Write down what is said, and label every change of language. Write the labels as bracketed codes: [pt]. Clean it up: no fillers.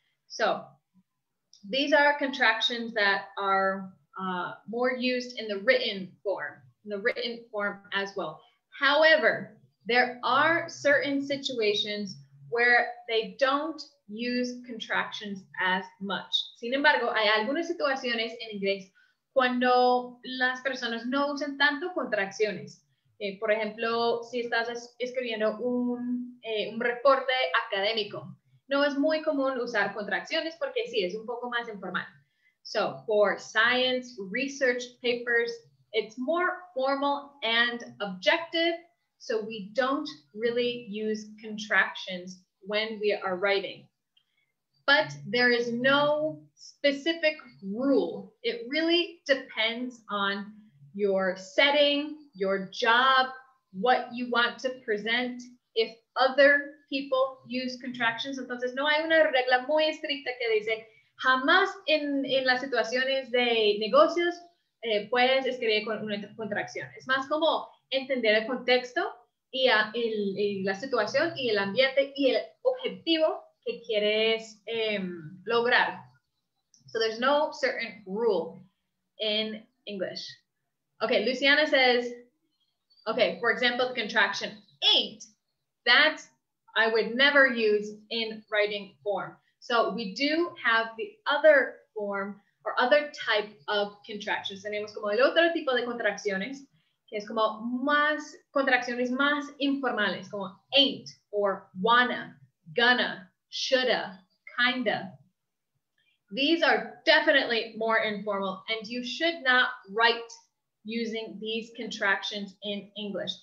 [en] So these are contractions that are more used in the written form, as well. However, there are certain situations where they don't use contractions as much. [es] Sin embargo, hay algunas situaciones en inglés cuando las personas no usan tanto contracciones. Por ejemplo, si estás escribiendo un reporte académico, no es muy común usar contracciones porque sí, es un poco más informal. [en] So, for science research papers, it's more formal and objective, so we don't really use contractions when we are writing. But there is no specific rule. It really depends on your setting, your job, what you want to present, if other people use contractions. [es] Entonces, no hay una regla muy estricta que dice, jamás en las situaciones de negocios puedes escribir con una contracción. Es más como entender el contexto y la situación y el ambiente y el objetivo que quieres lograr. [en] So there's no certain rule in English. Okay, Luciana says, okay, for example, the contraction ain't, that I would never use in writing form. So we do have the other form or other type of contractions. [es] Tenemos como el otro tipo de contracciones, que es como más contracciones más informales, como [en] ain't or wanna, gonna, shoulda, kinda. These are definitely more informal, and you should not write using these contractions in English.